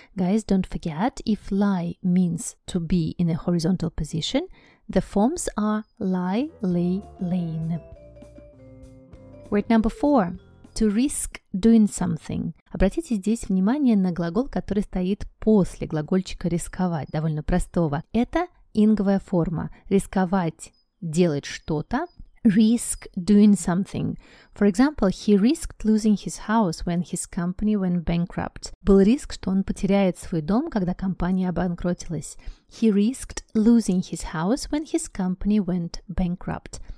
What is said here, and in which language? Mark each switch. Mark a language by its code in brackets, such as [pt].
[en] Guys, don't forget, if lie means to be in a horizontal position, the forms are lie, lay, lain. Word number four. To risk doing something. [ru] Обратите здесь внимание на глагол, который стоит после глагольчика рисковать, довольно простого. Это инговая форма. Рисковать, делать что-то. [en] Risk doing something. For example, he risked losing his house when his company went bankrupt. [ru] Был риск, что он потеряет свой дом, когда компания обанкротилась. [en] He risked losing his house when his company went bankrupt.